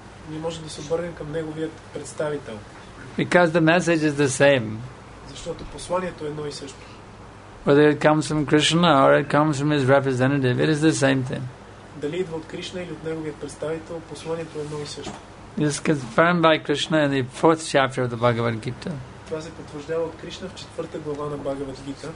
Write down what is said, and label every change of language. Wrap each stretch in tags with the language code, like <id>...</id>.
<bg>Ние можем да се обърнем към неговия представител.</bg> <en>Because the message is the same.</en> <bg>Защото посланието е едно и също.</bg> <en>Whether it comes from Krishna or it comes from his representative, it is the same thing.</en> <bg>Дали идва от Кришна или от неговия представител, посланието е едно и също.</bg> <en>This is confirmed by Krishna in the fourth chapter of the Bhagavad Gita.</en> <bg>Това се потвърждава от Кришна в четвърта глава на Бхагавад Гита.</bg>